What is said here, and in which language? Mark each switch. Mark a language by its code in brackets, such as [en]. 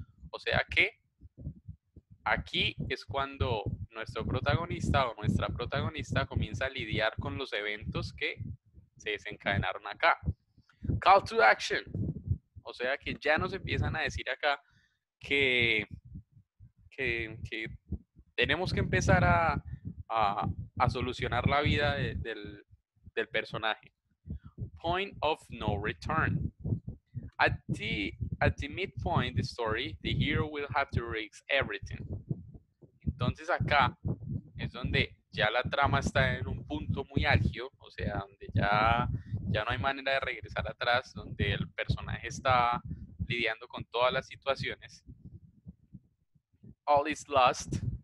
[es] O sea que aquí es cuando nuestro protagonista o nuestra protagonista comienza a lidiar con los eventos que se desencadenaron acá. [en] Call to action. [es] O sea que ya nos empiezan a decir acá que tenemos que empezar a solucionar la vida del personaje. [en] Point of no return. At the midpoint of the story, the hero will have to risk everything. [es] Entonces acá es donde ya la trama está en un punto muy álgido, o sea, donde ya no hay manera de regresar atrás, donde el personaje está lidiando con todas las situaciones. [en] All is lost.